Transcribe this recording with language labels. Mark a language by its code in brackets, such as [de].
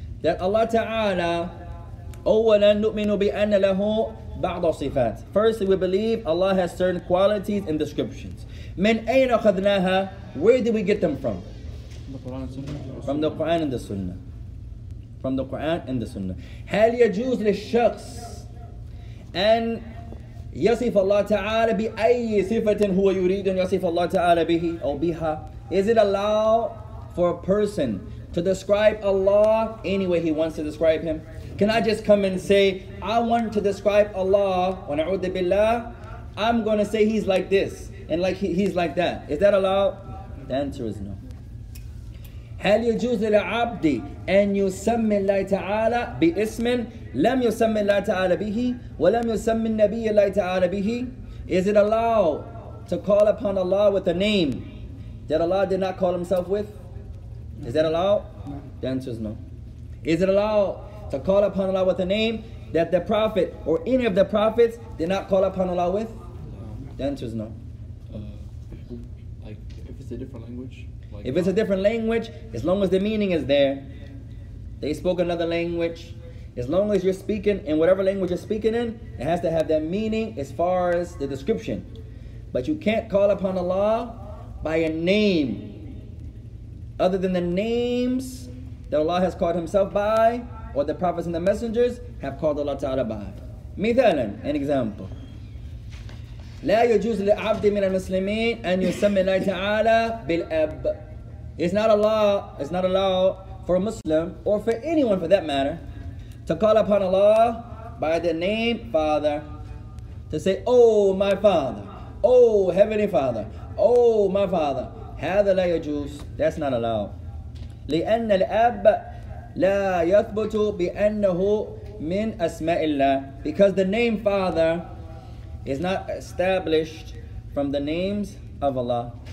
[ar] That Allah Ta'ala, أولاً نؤمن بأن له بعض الصفات. [en] Firstly, we believe Allah has certain qualities and descriptions. [ar] من أين أخذناها? [en] Where did we get them from? From the Quran and the Sunnah. From the Quran and the Sunnah. [ar] هل يجوز للشخص أن يصف الله تعالى بأي صفة هو يريد أن يصف الله تعالى به أو بها? [en] Is it allowed for a person to describe Allah any way he wants to describe him? Can I just come and say, I want to describe Allah, when I'udhu billah, I'm going to say he's like this, and like he's like that. Is that allowed? The answer is no. [ar] هل يجوز للعبد أن يسمي الله تعالى باسم لم يسمي الله تعالى به ولم يسمي النبي الله تعالى به? [en] Is it allowed to call upon Allah with a name that Allah did not call himself with? Is that allowed? The answer is no. Is it allowed to call upon Allah with a name that the Prophet or any of the Prophets did not call upon Allah with? The answer is no. If it's a different language? If it's a different language, as long as the meaning is there, they spoke another language, as long as you're speaking in whatever language you're speaking in, it has to have that meaning as far as the description. But you can't call upon Allah by a name other than the names that Allah has called himself by, or the prophets and the messengers have called Allah Ta'ala by. Mithalan, an example. [ar] لا يجوز لعبد من المسلمين أن يسمي الله تعالى بالأب. [en] It's not allowed for a Muslim, or for anyone for that matter, to call upon Allah by the name Father. To say, Oh my Father, Oh Heavenly Father, Oh my Father. [ar] هذا لا يجوز. [en] That's not allowed. [ar] لأن الأب لا يثبت بأنه من أسماء الله. [en] Because the name Father is not established from the names of Allah.